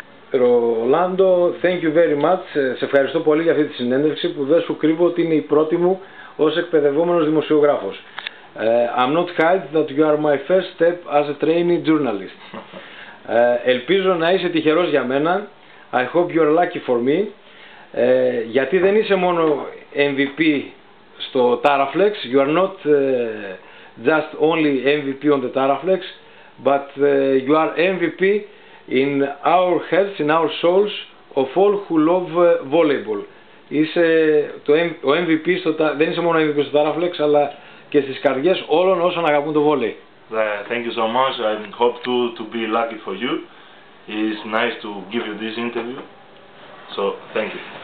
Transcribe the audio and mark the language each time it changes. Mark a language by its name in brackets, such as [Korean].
[English] Ρολάντο, thank you very much. [Greek] Σε ευχαριστώ πολύ για αυτή τη συνέντευξη που δεν σου κρύβω ότι είναι η πρώτη μου ως εκπαιδευόμενος δημοσιογράφος. [English] I'm not hide that you are my first step as a trainee journalist. [Greek] Ελπίζω να είσαι τυχερός για μένα. [English] I hope you're lucky for me. [Greek] Γιατί δεν είσαι μόνο MVP στο Taraflex. [English] You are not just only MVP on the Taraflex, but you are MVP in our hearts, in our souls, of all who love volleyball. [Greek] Είσαι ο MVP στο, δεν είσαι μόνο MVP στο Taraflex, αλλά και στις καρδιές όλων όσων αγαπούν το βόλεϊ. [English] Thank you so much. I hope to be lucky for you. It's nice to give you this interview. So, thank you.